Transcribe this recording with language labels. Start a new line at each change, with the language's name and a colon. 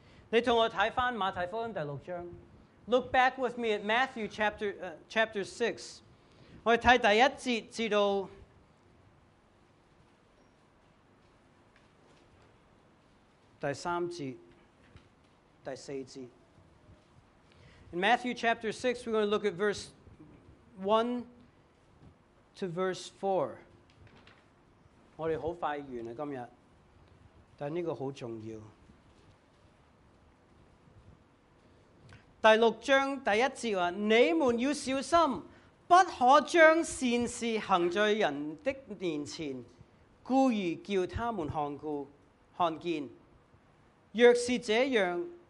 Chinese: 你跟我看回马太福音第六章。
English: Look back with me at Matthew chapter 6.
Chinese: 我们看第一节至到第三节、第四节。In
English: Matthew chapter 6, we're going to look at verse 1 to verse 4.
Chinese: 我们很快完了今天，但这个很重要。第六章第一节说，你们要小心，不可将善事行在人的面前，故意叫他们看见。若是这样，